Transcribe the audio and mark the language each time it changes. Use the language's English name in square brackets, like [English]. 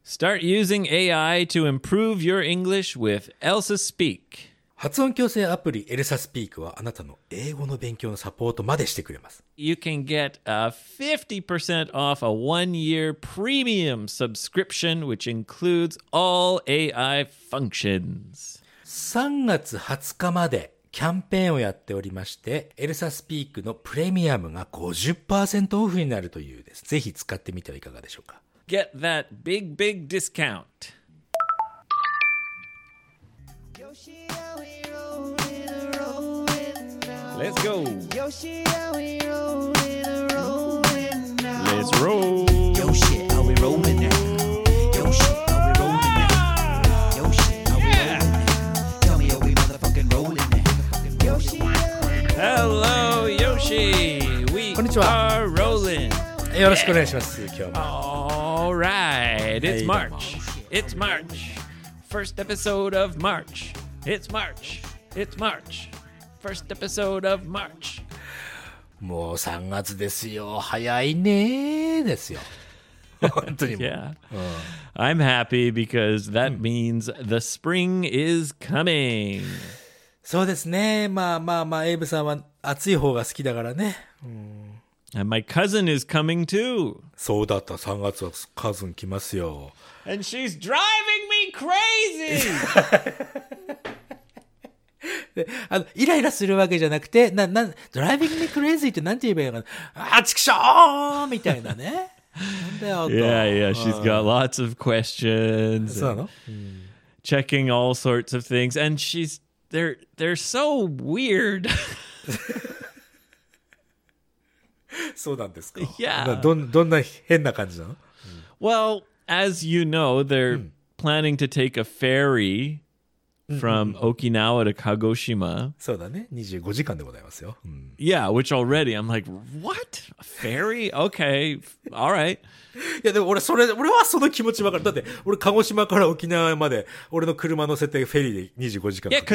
[English] Start using AI to improve your English with Elsa Speak. [Japanese] 発音矯正アプリ Elsa Speak はあなたの英語の勉強のサポートまでしてくれます。 [English] You can get a 50% off a one-year premium subscription, which includes all AI functions. [Japanese] 3月20日までキャンペーンをやっておりまして、Elsa Speak のプレミアムが 50% オフになるというです。ぜひ使ってみてはいかがでしょうか。 [English] Get that big, big discount. Let's go. Yoshi, are we rolling and rolling now? Let's roll. Yoshi, are we rolling now? Yoshi, are we rolling now? Yoshi, are we rolling now? Tell me, are we motherfucking rolling now? Yoshi, hello, Yoshi. We are rolling. [Japanese] よろしくお願いします。今日も。 [English] Alright, it's March. It's March. First episode of March. It's March. It's March. First episode of March. [Japanese] もう3月ですよ。早いねーですよ。本当にも。 [English] Yeah. I'm happy because that means the spring is coming. [Japanese] そうですね。まあまあまあ、エイブさんは暑い方が好きだからね。 [English] And my cousin is coming too. [Japanese] そうだった。3月はカズン来ますよ。 [English] And she's driving me crazy! [Japanese] あのイライラするわけじゃなくて、 [English] driving me crazy [Japanese] ってなんて言えばいいのかな。あ、ちくしょーみたいなね。なんだよ。 [English] Yeah, yeah, she's got lots of questions. [Japanese] そうなの？ [English] Checking all sorts of things. And she's, they're so weird. [Japanese] そうなんですか。 [English] Yeah. [Japanese] どんな変な感じなの。 [English] Well, as you know, they're planning to take a ferry from Okinawa to Kagoshima. [Japanese] そうだね。25時間でございますよ。 [English] Yeah, which already I'm like, what? A ferry? Okay, all right. [Japanese] いやでも俺はその気持ちわかる。だって俺鹿児島から沖縄まで俺の車乗せてフェリーで25時間かか